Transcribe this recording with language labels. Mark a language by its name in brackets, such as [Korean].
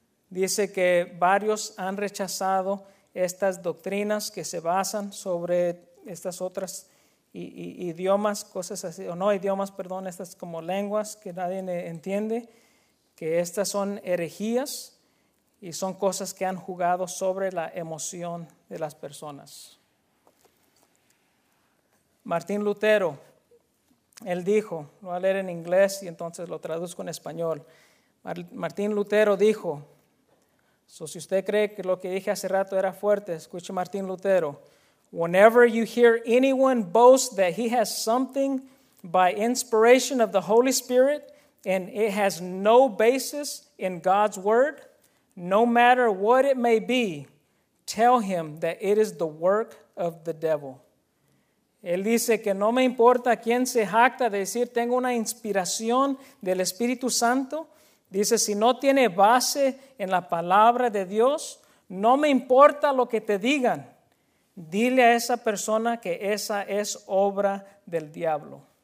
[Spanish] Dice que varios han rechazado estas doctrinas que se basan sobre estas otras idiomas, cosas así, o no idiomas, perdón, estas como lenguas que nadie entiende, que estas son herejías y son cosas que han jugado sobre la emoción de las personas. Martín Lutero, él dijo, lo voy a leer en inglés y entonces lo traduzco en español. Martín Lutero dijo, si usted cree que lo que dije hace rato era fuerte, escuche Martín Lutero. [English] Whenever you hear anyone boast that he has something by inspiration of the Holy Spirit and it has no basis in God's word, no matter what it may be, tell him that it is the work of the devil. [Spanish] Él dice que no me importa quién se jacta de decir tengo una inspiración del Espíritu Santo. Dice, si no tiene base en la palabra de Dios, no me importa lo que te digan. Dile a esa persona que esa es obra del diablo.